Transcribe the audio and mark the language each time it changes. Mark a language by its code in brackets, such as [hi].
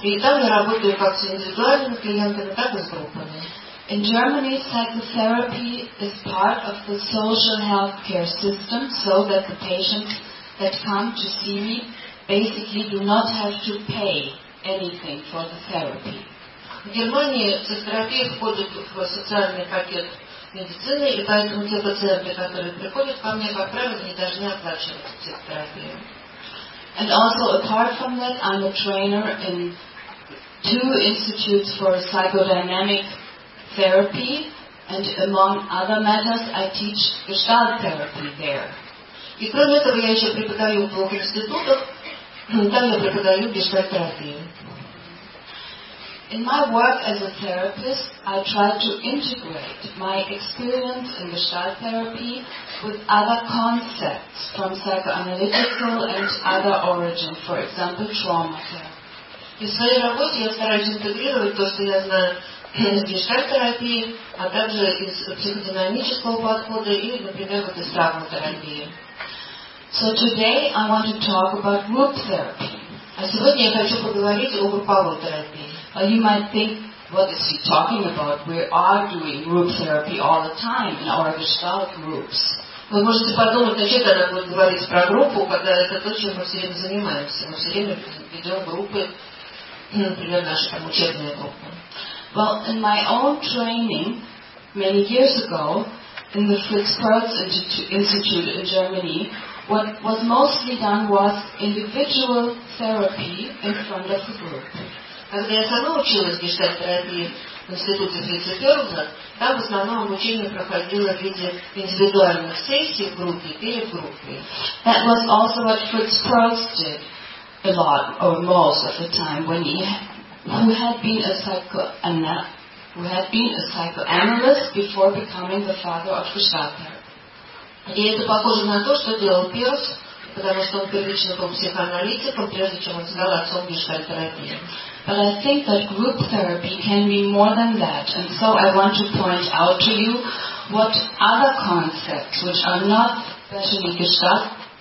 [en] In Germany, psychotherapy is part of the social health care system, so that the patients that come to see me basically do not have to pay anything for the therapy. [ru] В Германии психотерапия входит в социальный пакет медицины, и поэтому те пациенты, которые приходят ко мне, как правило, не должны оплачивать психотерапию. [en] And also, apart from that, I'm a trainer in two institutes for psychodynamic therapy, and among other matters, I teach Gestalt therapy there. [ru] И кроме этого, я еще преподаю в двух институтах, там я преподаю Gestalt therapy. [en] In my work as a therapist, I try to integrate my experience in Gestalt therapy with other concepts from psychoanalytical and other origin, for example, trauma therapy. [ru] И в своей работе я стараюсь интегрировать то, что я знаю из гештальт-терапии, а также из психодинамического подхода и, например, вот из травмотерапии. [en] So today I want to talk about group therapy. [ru] А сегодня я хочу поговорить о групповой терапии. [en] Well, you might think, what is he talking about? We are doing group therapy all the time in our gestalt groups. [ru] Вы можете подумать, на чем она будет говорить про группу, когда это то, чем мы все время занимаемся. Мы все время ведем группы, например, наши там учебные группы. [en] Well, in my own training many years ago in the Fritz Perls Institute in Germany, what was mostly done was individual therapy in front of the group. [ru] Когда я сама училась в гештальт-терапии в институте Фрица Перлза, там в основном обучение проходило в виде индивидуальных сессий в группе перед группой. [en] That was also what Fritz Perls did a lot or most of the time when he who had been a psychoanalyst before becoming the father of Gestalt therapy. [ru] И это похоже на то, что делал Пирс, потому что он первично был психоаналитиком, прежде чем он стал отцом Gestalt therapy. [en] But I think that group therapy can be more than that, and so I want to point out to you what other concepts which are not specially Gestalt.